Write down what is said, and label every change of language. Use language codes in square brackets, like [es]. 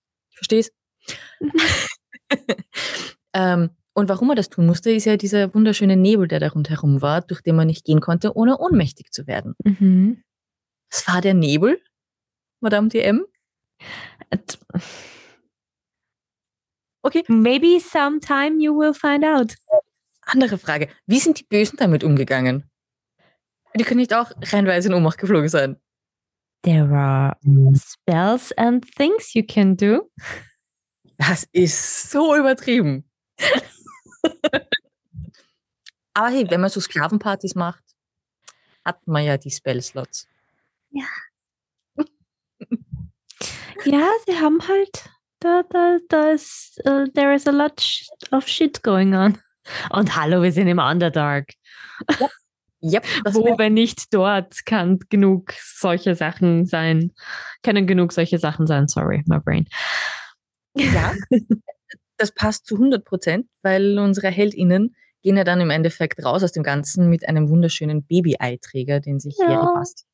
[de] Ich versteh's. und warum er das tun musste, ist ja dieser wunderschöne Nebel, der da rundherum war, durch den man nicht gehen konnte, ohne ohnmächtig zu werden. Es war der Nebel, Madame DM. Okay. [en] Maybe sometime you will find out. [de] Andere Frage. Wie sind die Bösen damit umgegangen? Die können nicht auch reinweise in Ohnmacht geflogen sein. [en] There are spells and things you can do. [de] Das ist so übertrieben. Aber hey, wenn man so Sklavenpartys macht, hat man ja die Spellslots. Ja. Ja, sie haben halt... [en] there is a lot of shit going on. [de] Und hallo, wir sind im Underdark. [en] Yep, [de] wo, wenn nicht dort, kann genug solche Sachen sein. Können genug solche Sachen sein. [en] Sorry, my brain. [de] Ja, das passt zu 100%, weil unsere HeldInnen gehen ja dann im Endeffekt raus aus dem Ganzen mit einem wunderschönen Baby-Eiträger, den sich hier passt.